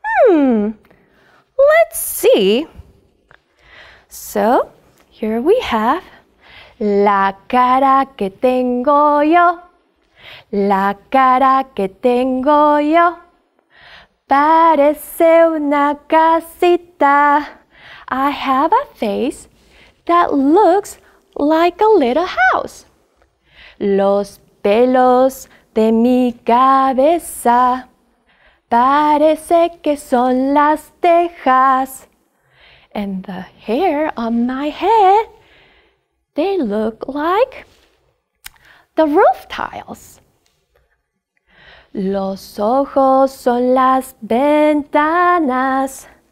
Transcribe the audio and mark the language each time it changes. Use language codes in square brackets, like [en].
[en] Let's see. So, here we have [es] la cara que tengo yo. La cara que tengo yo. Parece una casita. [en] I have a face that looks like a little house. [es] Los pelos de mi cabeza parece que son las tejas. [en] And the hair on my head, they look like the roof tiles. [es] Los ojos son las ventanas.